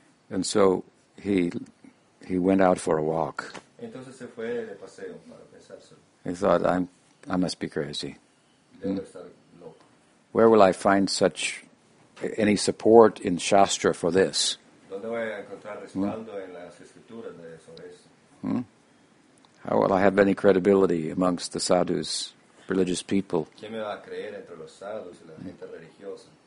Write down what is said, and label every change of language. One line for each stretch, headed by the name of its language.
English: And so he went out for a walk.
Spanish: Entonces se fue de paseo para pensárselo.
English: He thought, I must be crazy.
Spanish: Debe estar loco.
English: Where will I find any support in Shastra for this?
Spanish: ¿Dónde voy a encontrar respaldo en las escrituras de sobre eso?
English: How will I have any credibility amongst the sadhus, religious people?
Spanish: ¿Quién me va a creer entre los sadhus y la gente religiosa?